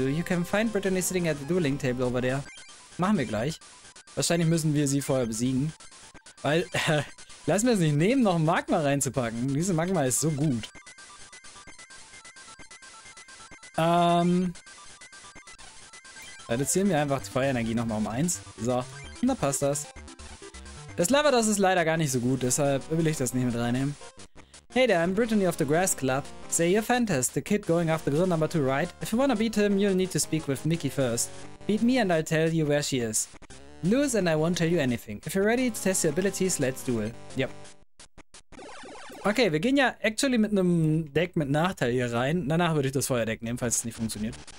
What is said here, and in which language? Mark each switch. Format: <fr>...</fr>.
<en>You can find Brittany sitting at the dueling table over there.</en> <de>Machen wir gleich. Wahrscheinlich müssen wir sie vorher besiegen. Weil, lassen wir es nicht nehmen, noch ein Magma reinzupacken. Dieses Magma ist so gut. Reduzieren wir einfach die Feuerenergie nochmal um 1. So, und dann passt das. Das Lava, das ist leider gar nicht so gut, deshalb will ich das nicht mit reinnehmen.</de> <en>Hey there, I'm Brittany of the Grass Club. Say you're Fantas, the kid going after grill number 2, right? If you wanna beat him, you'll need to speak with Mickey first. Beat me and I'll tell you where she is. Lose and I won't tell you anything. If you're ready to test your abilities, let's do it. Yep.</en> <de>Okay, wir gehen ja actually mit einem Deck mit Nachteil hier rein. Danach würde ich das Feuerdeck nehmen, falls es nicht funktioniert.</de>